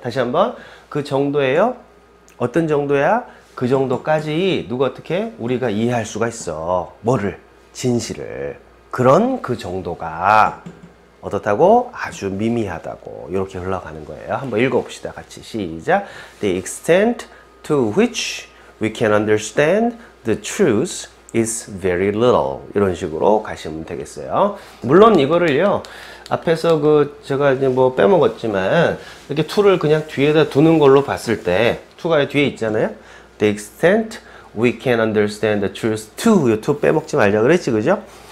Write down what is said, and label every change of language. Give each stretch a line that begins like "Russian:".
Korean: 다시 한번, 그 정도예요? 어떤 정도야? 그 정도까지 누가 어떻게 우리가 이해할 수가 있어. 뭐를? 진실을. 그런 그 정도가 어떻다고? 아주 미미하다고. 이렇게 흘러가는 거예요. 한번 읽어봅시다. 같이 시작.
English: The extent to which we can understand the truth is very little.
Korean: 이런 식으로 가시면 되겠어요. 물론 이거를요, 앞에서 그 제가 이제 뭐 빼먹었지만 이렇게 to를 그냥 뒤에다 두는 걸로 봤을 때 to가 뒤에 있잖아요.
English: The extent we can understand the truth to,
Korean: 이 to 빼먹지 말자 그랬지, 그죠?